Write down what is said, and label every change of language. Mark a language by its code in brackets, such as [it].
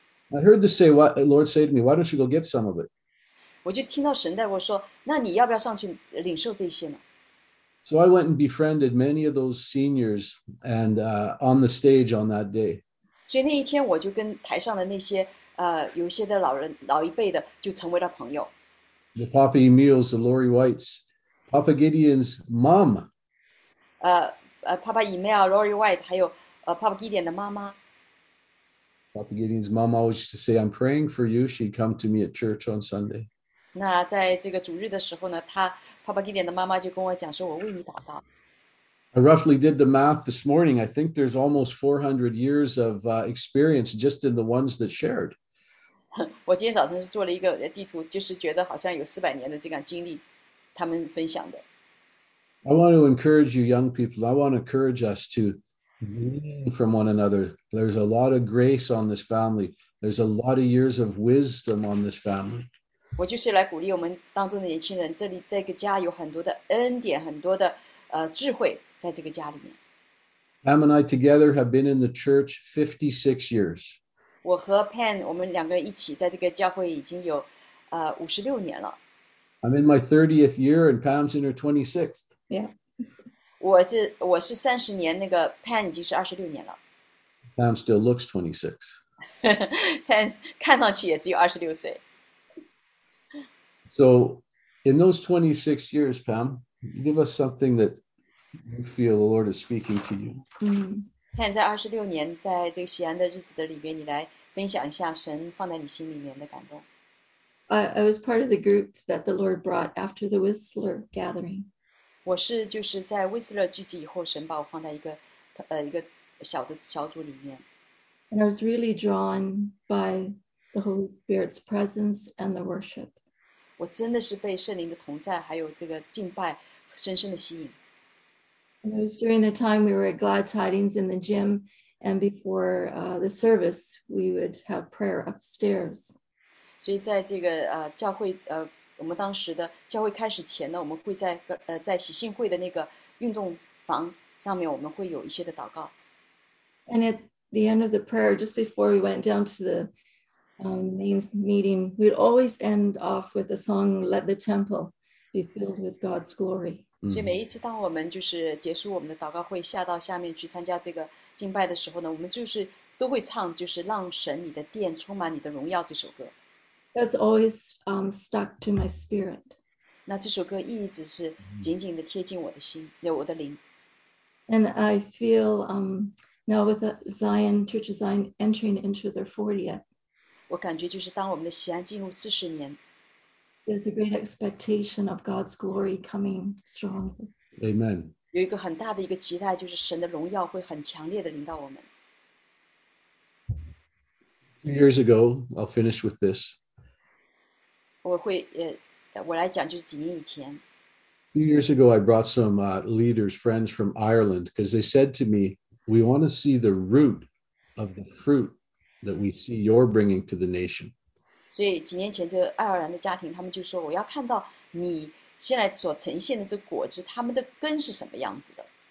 [en] I heard the say, Lord say to me, why don't you go get some of it? [zh] 我就听到神带我说，那你要不要上去领受这些呢？ [en] So I went and befriended many of those seniors and on the stage on that day. [zh] 所以那一天我就跟台上的那些有一些的老人、老一辈的就成为了朋友。 [en] The Poppy Emiles, the Lori Whites. Papa Gideon's mom. [zh] Papa Emile, Lori White, 还有, Papa Gideon 的妈妈. [en] Papa Gideon's mom always used to say, I'm praying for you. She'd come to me at church on Sunday. [zh] 那在这个主日的时候呢, 他, Papa Gideon 的妈妈就跟我讲说, 我为你祷告。 [en] I roughly did the math this morning. I think there's almost 400 years of experience just in the ones that shared. [zh] 我今天早上是做了一个地图, 就是觉得好像有400年的这个经历。他们分享的. [en] I want to encourage you young people. I want to encourage us to learn from one another. There's a lot of grace on this family. There's a lot of years of wisdom on this family. [zh] 我就是来鼓励我们当中的年轻人，这里这个家有很多的恩典，很多的智慧在这个家里面。 [en] Pam and I together have been in the church 56 years. [zh] 我和Pam, 我们两个一起在这个教会已经有 56年了。 [en] I'm in my 30th year and Pam's in her 26th. Yeah. [zh] 我是30年,那个 Pam已经是26年了。 [en] Pam still looks 26. [zh] Pam看上去也只有26岁。 [en] So in those 26 years, Pam, give us something that you feel the Lord is speaking to you. [zh] Pam在26年在这个西安的日子的里面,你来分享一下神放在你心里面的感动。 [en] I was part of the group that the Lord brought after the Whistler gathering. [zh] 我是就是在威斯勒聚集以后，神把我放在一个小的小组里面。 [en] And I was really drawn by the Holy Spirit's presence and the worship. [zh] 我真的是被圣灵的同在，还有这个敬拜，深深的吸引。 [en] And it was during the time we were at Glad Tidings in the gym, and before the service, we would have prayer upstairs. [zh] 所以在这个教会，我们当时的教会开始前呢，我们会在喜信会的那个运动房上面，我们会有一些的祷告。 [en] And at the end of the prayer, just before we went down to the Main's meeting, we'd always end off with a song, Let the Temple Be Filled with God's Glory. Mm-hmm. That's always stuck to my spirit. And I feel now with the Zion Church of Zion entering into their 40th, [zh] 我感觉就是当我们的西安进入40年, [en] there's a great expectation of God's glory coming strong. Amen. [zh] 有一个很大的一个期待, 就是神的荣耀会很强烈地临到我们。 [en] 2 years ago, I'll finish with this. [zh] 我会, 我来讲就是几年以前, [en] Years ago, I brought some leaders, friends from Ireland, because they said to me, we want to see the root of the fruit that we see you're bringing to the nation. [zh] 所以几年前这个爱尔兰的家庭，他们就说我要看到你现在所呈现的这果子，他们的根是什么样子的。